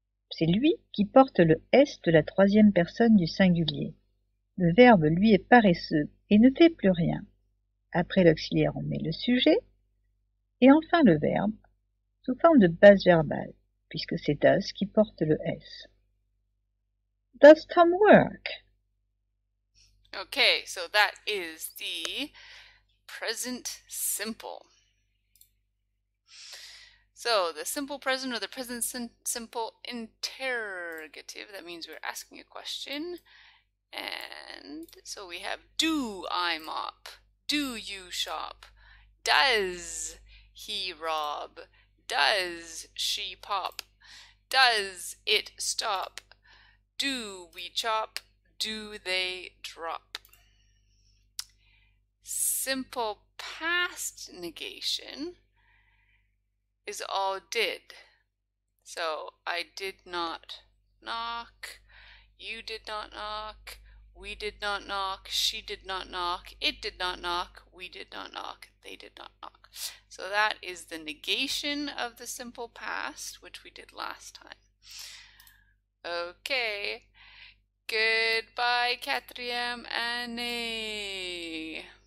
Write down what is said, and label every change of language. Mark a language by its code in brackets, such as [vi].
[fr] C'est lui qui porte le S de la troisième personne du singulier. Le verbe, lui, est paresseux et ne fait plus rien. Après l'auxiliaire, on met le sujet. Et enfin, le verbe, sous forme de base verbale, puisque c'est does qui porte le S. [en] Does Tom work? Okay, so that is the present simple. So the simple present or the present simple interrogative, that means we're asking a question. And so we have do I mop? Do you shop? Does he rob? Does she pop? Does it stop? Do we chop? Do they drop? Simple past negation is all did. So I did not knock, you did not knock, we did not knock, she did not knock, it did not knock, we did not knock, they did not knock. So that is the negation of the simple past, which we did last time. Okay, goodbye, [fr] quatrième année.